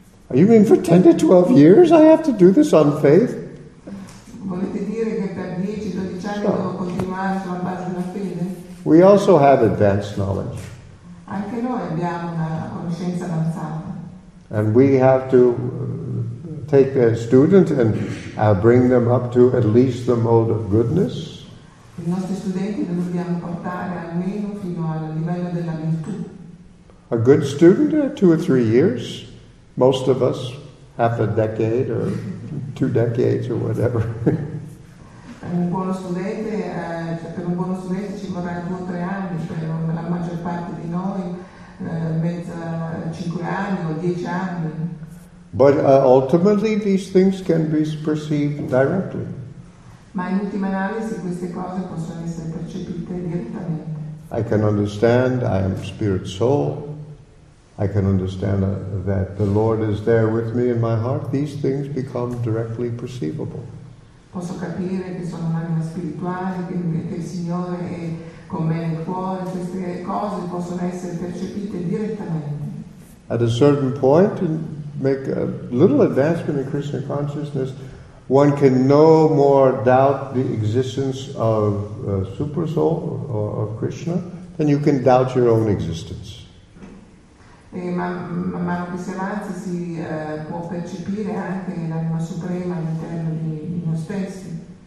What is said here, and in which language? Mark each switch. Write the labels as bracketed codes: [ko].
[en] Are you mean for 10 to 12 years I have to do this on faith? [it] Volete dire che per 10-12 anni devo continuare sulla base della fede? [en] We also have advanced knowledge. [it] Anche noi abbiamo una conoscenza avanzata. [en] And we have to take a student and bring them up to at least the mode of goodness. [it] I nostri studenti li dobbiamo portare almeno fino al livello della virtù. [en] A good student, 2 or 3 years. Most of us, half a decade or 2 decades or whatever. [it] Per un buono studente ci vorrà 2 o 3 anni, per la maggior parte di noi, 5 anni o 10 anni. [en] But ultimately these things can be perceived directly. [it] Ma in ultima analisi queste cose possono essere percepite direttamente. [en] I can understand I am spirit soul. I can understand that the Lord is there with me in my heart. These things become directly perceivable. [it] Posso capire che sono un'anima spirituale, che il Signore è con me nel cuore. Queste cose possono essere percepite direttamente. [en] at a certain point to make a little advancement in Krishna consciousness, one can no more doubt the existence of a super soul or of Krishna than you can doubt your own existence. [it] E man mano che si avanza si può percepire anche l'anima suprema all'interno di noi stessi.